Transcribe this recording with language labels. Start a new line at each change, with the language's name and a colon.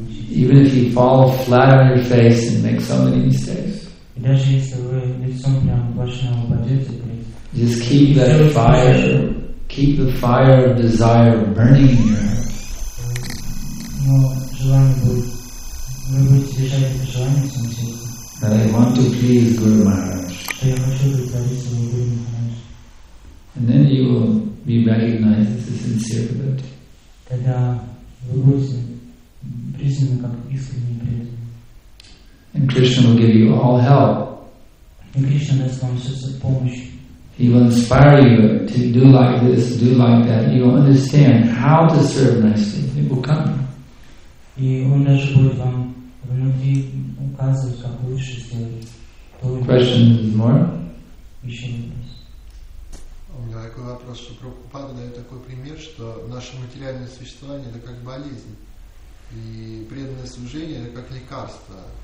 English: Even if you fall flat on your face and make so many mistakes.
Russian: И даже если вы лицом прямо в башню упадете,
English: just keep that fire, keep the fire of desire burning in your heart.
Russian: Но желание будет, вы будете держать это желание в своем сердце.
English: That I want to please Guru Maharaj.
Russian: Что я хочу удовлетворить своего Гуру Махарадж.
English: And then you will be recognized as a sincere devotee.
Russian: Тогда вы будете признаны как искренний преданный.
English: And Krishna will give you all help. And Krishna does not just a
Russian: помощь.
English: He will inspire you to do like this, do like that. You will understand how to serve nicely. It will come.
Russian: И он даже будет вам внутри указывать, как лучше сделать.
English: Question is more.
Russian: Еще вопрос. У меня такой вопрос, что Прабхупада дает такой пример, что наше материальное существование это как болезнь, и преданное служение это как лекарство.